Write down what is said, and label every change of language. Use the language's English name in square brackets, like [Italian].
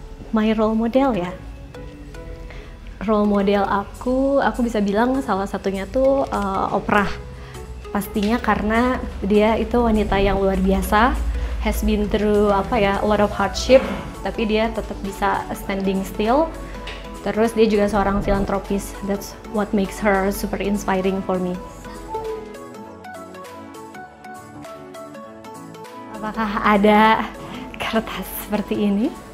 [Indonesian] My role model ya? Role model aku bisa bilang salah satunya tuh Oprah. Pastinya karena dia itu wanita yang luar biasa, [English] has been through [Indonesian] apa ya, [English] a lot of hardship, [Indonesian] tapi dia tetap bisa [English] standing still. [Indonesian] Terus dia juga seorang filantropis. [English] That's what makes her super inspiring for me. [Indonesian] Apakah ada kertas seperti ini?